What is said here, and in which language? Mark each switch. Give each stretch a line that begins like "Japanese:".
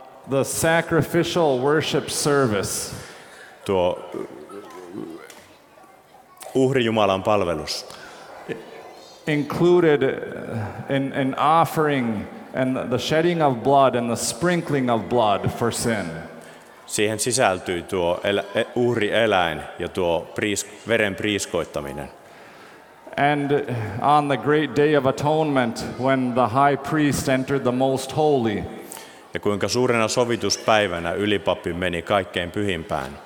English: The sacrificial worship service.
Finnish: Tuo uhri Jumalan palvelus.
English: Included an offering and the shedding of blood and the sprinkling of blood for sin.
Finnish: Siihen sisältyy tuo uhrieläin ja tuo veren priiskoittaminen.
English: And on the great day of atonement when the high priest entered the most holy.
Finnish: Ja kuinka suurena sovituspäivänä ylipappi meni kaikkein pyhimpään.